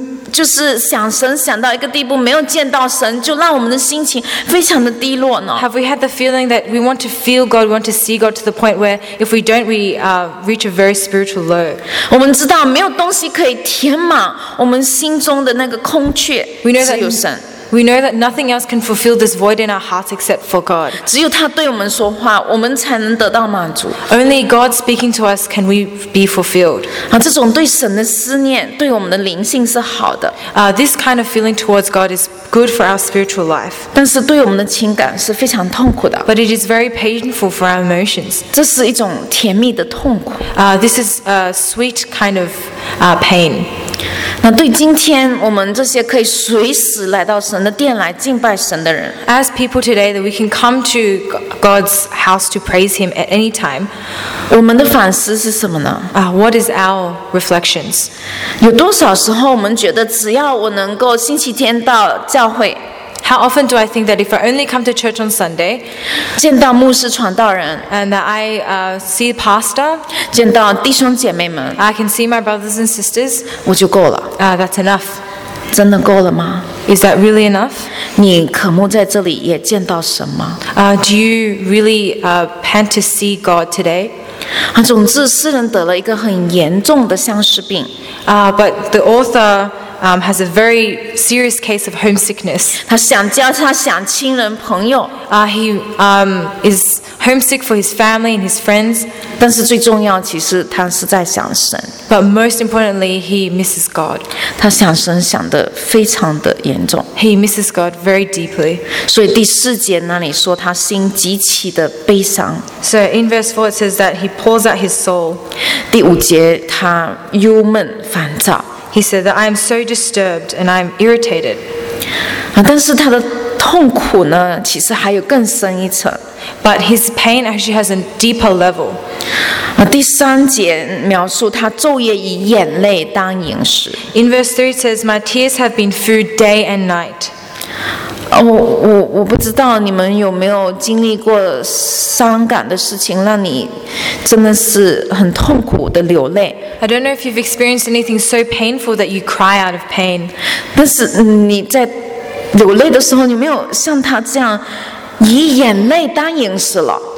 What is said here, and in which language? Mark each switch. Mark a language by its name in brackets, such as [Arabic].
[Chinese] 就是想神想到一个地步，没有见到神，就让我们的心情非常的低落呢。 [English] Have we had the feeling that we want to feel God, want to see God to the point where if we don't, we reach a very spiritual low? [Chinese] 我们知道没有东西可以填满我们心中的那个空缺，只有神。 [English] We know that nothing else can fulfill this void in our hearts except for God. [Chinese] 只有他对我们说话，我们才能得到满足。 [English] Only God speaking to us can we be fulfilled. [Chinese] 这种对神的思念，对我们的灵性是好的。 [English] This kind of feeling towards God is good for our spiritual life. [Chinese] 但是对我们的情感是非常痛苦的。 [English] But it is very painful for our emotions. [Chinese] 这是一种甜蜜的痛苦。 [English] This is a sweet kind of pain. [Chinese] 那对今天我们这些可以随时来到神的殿来敬拜神的人 [English] ，As people today that we can come to God's house to praise Him at any time， [Chinese] 我们的反思是什么呢 [English] ？What is our reflections？ [Chinese] 有多少时候我们觉得只要我能够星期天到教会 [English] ？How often do I think that if I only come to church on Sunday， [Chinese] 见到牧师传道人 [English] ，and that I see pastor， [Chinese] 见到弟兄姐妹们 [English] ，I can see my brothers and sisters， [Chinese] 我就够了。 [English] That's enough. [Chinese] 真的够了吗？ [English] Is that really enough? [Chinese] 你渴慕在这里也见到神吗？ [English] Do you really pant to see God today? [Chinese] 总之，诗人得了一个很严重的相思病。 [English] But the author has a very serious case of homesickness. [Chinese] 他想家，他想亲人朋友。 [English] He is homesick for his family and his friends. [Chinese] 但是最重要，其实他是在想神。 [English] But most importantly, he misses God. [Chinese] 他想神想得非常的严重。 [English] He misses God very deeply. [Chinese] 所以第四节那里说他心极其的悲伤。 [English] So in verse 4 it says that he pours out his soul. [Chinese] 第五节他忧闷烦躁。 [English] He said that I am so disturbed and I am irritated. [Chinese] 但是他的痛苦呢，其实还有更深一层。 [English] But his pain actually has a deeper level. [Chinese] 第三节描述他昼夜以眼泪当饮食。 [English] In verse 3 it says, my tears have been food day and night. [Chinese] 我不知道你们有没有经历过伤感的事情，让你真的是很痛苦的流泪。 [English] I don't know if you've experienced anything so painful that you cry out of pain. [Chinese] 但是你在流泪的时候，你没有像他这样以眼泪当饮食了。